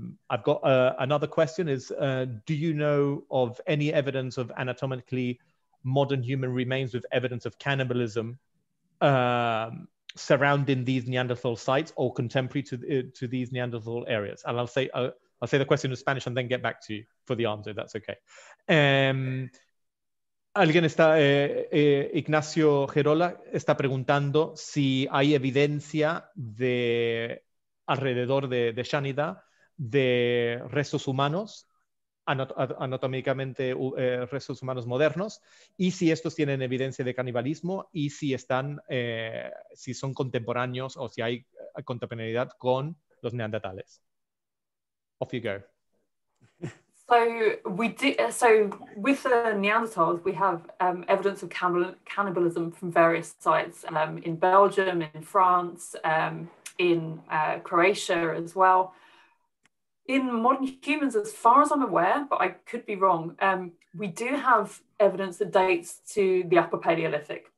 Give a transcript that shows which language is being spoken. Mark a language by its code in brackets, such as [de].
[en] I've got another question is, do you know of any evidence of anatomically modern human remains with evidence of cannibalism surrounding these Neanderthal sites or contemporary to these Neanderthal areas? And I'll say the question in Spanish and then get back to you for the answer, if that's okay. [es] Alguien está, Ignacio Gerola está preguntando si hay evidencia de alrededor de Shanidar de restos humanos, anatómicamente restos humanos modernos, y si estos tienen evidencia de canibalismo y si están, si son contemporáneos o si hay contemporaneidad con los neandertales. [en] Off you go. So with the Neanderthals, we have evidence of cannibalism from various sites in Belgium, in France, in Croatia as well. In modern humans, as far as I'm aware, but I could be wrong, we do have evidence that dates to the Upper Paleolithic.